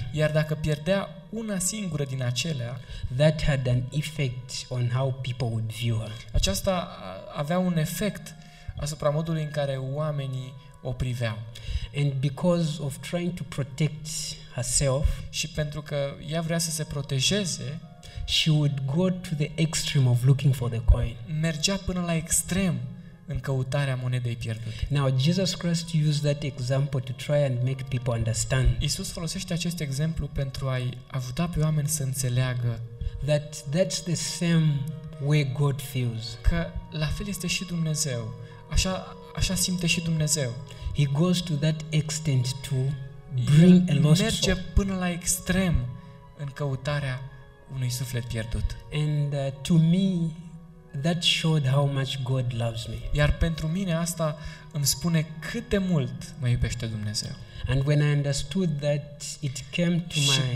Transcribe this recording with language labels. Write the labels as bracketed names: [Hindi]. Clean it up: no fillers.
[Romanian] iar dacă pierdea una singură din acelea, [English] that had an effect on how people would view her. [Romanian] Aceasta avea un efect asupra modului în care oamenii o priveau. [English] And because of trying to protect herself, [Romanian] și pentru că ea vrea să se protejeze, [English] she would go to the extreme of looking for the coin. [Romanian] Mergea până la extrem în căutarea monedei pierdute. [English] Now Jesus Christ used that example to try and make people understand. [Romanian] Iisus folosește acest exemplu pentru a-i ajuta pe oameni să înțeleagă [English] that's the same way God feels. [Romanian] Că la fel este și Dumnezeu. Așa simte și Dumnezeu. [English] He goes to that extent to bring a lost soul. [Romanian] Merge până la extrem în căutarea unui suflet pierdut. [English] And to me that showed how much God loves me. [Romanian] Iar pentru mine asta îmi spune cât de mult mă iubește Dumnezeu. [English] And when I understood that it came to my understanding.